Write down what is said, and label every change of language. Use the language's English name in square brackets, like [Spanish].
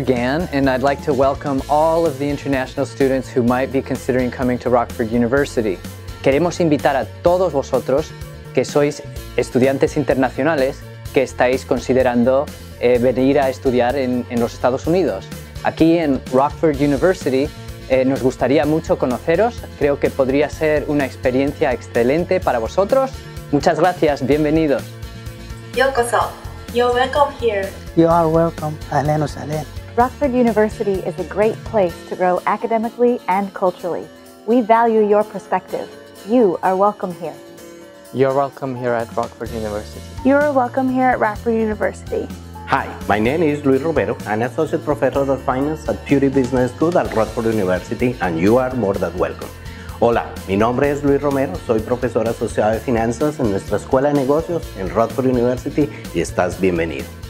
[English] Gan, and I'd like to welcome all of the international students who might be considering coming to Rockford University. [Spanish] Queremos invitar a todos vosotros que sois estudiantes internacionales que estáis considerando venir a estudiar en los Estados Unidos. Aquí en Rockford University, nos gustaría mucho conoceros. Creo que podría ser una experiencia excelente para vosotros. Muchas gracias. Bienvenidos. [English] Yokoso. You're welcome here. You are welcome. Aleno salen. Rockford University is a great place to grow academically and culturally. We value your perspective. You are welcome here. You're welcome here at Rockford University. You're welcome here at Rockford University. Hi, my name is Luis Romero, an Associate Professor of Finance at Purdue Business School at Rockford University, and you are more than welcome. [Spanish] Hola, mi nombre es Luis Romero, soy profesor asociado de finanzas en nuestra Escuela de Negocios en Rockford University, y estás bienvenido.